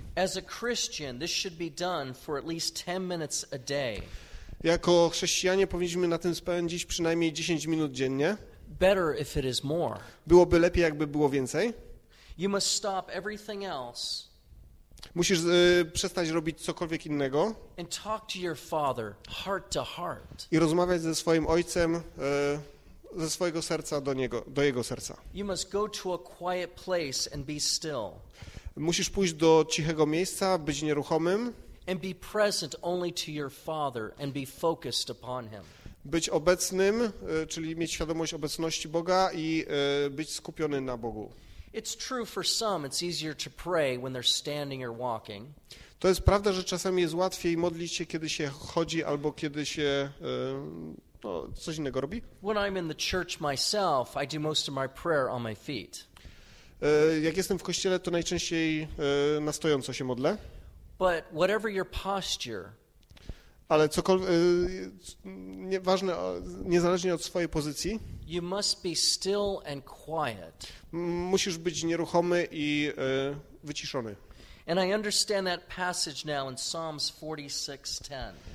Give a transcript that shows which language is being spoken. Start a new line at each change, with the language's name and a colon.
English: As a Christian, this should be done for at least 10 minutes a day.
Polish: Jako chrześcijanie powinniśmy na tym spędzić przynajmniej 10 minut dziennie.
English: Better if it is more.
Polish: Byłoby lepiej, jakby było więcej.
English: You must stop everything else.
Polish: Musisz przestać robić cokolwiek innego.
English: And talk to your father heart to heart.
Polish: I rozmawiać ze swoim ojcem ze swojego serca do niego, do jego serca.
English: You must go to a quiet place and be still.
Polish: Musisz pójść do cichego miejsca, być nieruchomym.
English: And be present only to your father and be focused upon him.
Polish: Być obecnym, czyli mieć świadomość obecności Boga i być skupiony na Bogu.
English: It's true for some, it's easier to pray when they're standing or walking.
Polish: To jest prawda, że czasami jest łatwiej modlić się, kiedy się chodzi albo kiedy się coś innego robi.
English: When I'm in the church myself, I do most of my prayer on my feet.
Polish: Jak jestem w kościele, to najczęściej na stojąco się modlę.
English: But whatever your posture,
Polish: ale cokolwiek nieważne, niezależnie od swojej pozycji,
English: you must be still and quiet.
Polish: Musisz być nieruchomy i wyciszony.
English: And I understand that passage now in Psalms 46:10.